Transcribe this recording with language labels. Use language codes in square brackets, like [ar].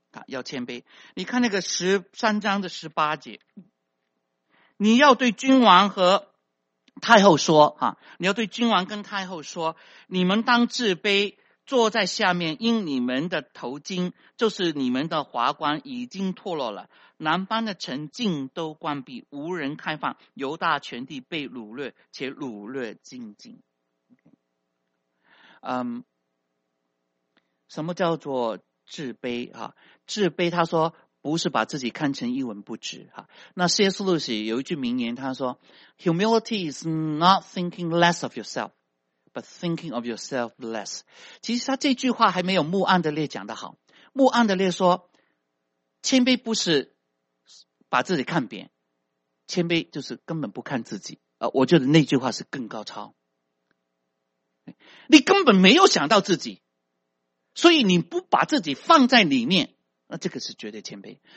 [zh] 要谦卑，你看那个13章的18节，你要对君王和太后说啊，你要对君王跟太后说，你们当自卑，坐在下面，因你们的头巾就是你们的华冠已经脱落了，南方的城境都关闭，无人开放，犹大全地被掳掠，且掳掠尽尽。嗯，什么叫做自卑啊？自卑他说不是把自己看成一文不值啊。那 C.S. [en] Lewis [zh] 有一句名言，他说 [en] Humility is not thinking less of yourself, but thinking of yourself less. [zh] 其实他这句话还没有穆安德烈讲得好。穆安德烈说，谦卑不是把自己看扁，谦卑就是根本不看自己啊。我觉得那句话是更高超。你根本没有想到自己，所以你不把自己放在里面，那这个是绝对谦卑。